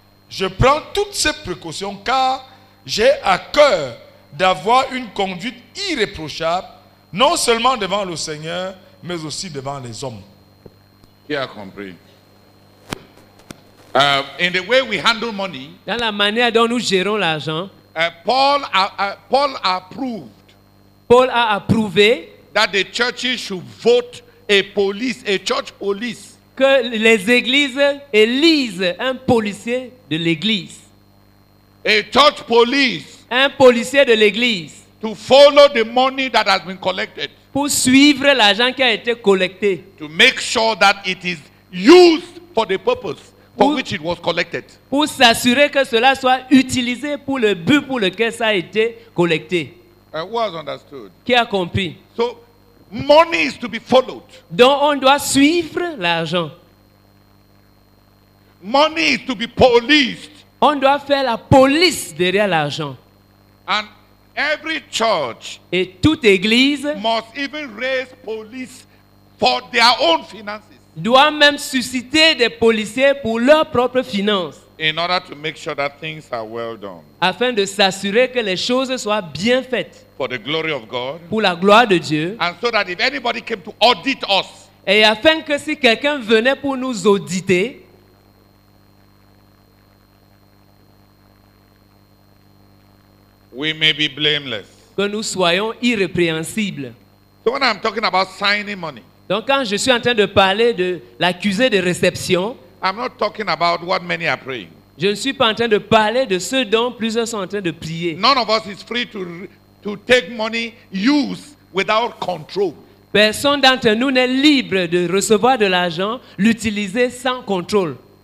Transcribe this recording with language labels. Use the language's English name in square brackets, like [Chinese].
[French] Je prends toutes ces précautions car j'ai à cœur d'avoir une conduite irréprochable, non seulement devant le Seigneur, mais aussi devant les hommes. Qui a compris? [English] In the way we handle money, [French] dans la manière dont nous gérons l'argent, Paul a approuvé [English] that the churches should vote a church police. [French] Que les églises élisent un policier de l'église. [English] A church police. [French] Un policier de l'église. [English] To follow the money that has been collected. [French] Pour suivre l'argent qui a été collecté. [English] To make sure that it is used for the purpose for which it was collected. [French] Pour s'assurer que cela soit utilisé pour le but pour lequel ça a été collecté. [English] Who has understood? [French] Qui a compris? [English] So, money is to be followed. [French] Donc on doit suivre l'argent. [English] Money is to be policed. [French] On doit faire la police derrière l'argent. [English] And every church [French] et toute église [English] must even raise police for their own finances. [French] doit même susciter des policiers pour leurs propres finances. [English] In order to make sure that things are well done. [French] Afin de s'assurer que les choses soient bien faites. [English] For the glory of God. [French] Pour la gloire de Dieu. [English] And so that if anybody came to audit us. [French] Et afin que si quelqu'un venait pour nous auditer. [English] We may be blameless. [French] Que nous soyons irrépréhensibles. [English] So when I'm talking about signing money. [French] Donc quand je suis en train de parler de l'accusé de réception, [English] I'm not talking about what many are praying. [French] Je ne suis pas en train de parler de ce dont plusieurs sont en train de prier. [English] None of us is free to take money use without control. [French] Personne d'entre nous n'est libre de recevoir de l'argent, l'utiliser sans contrôle.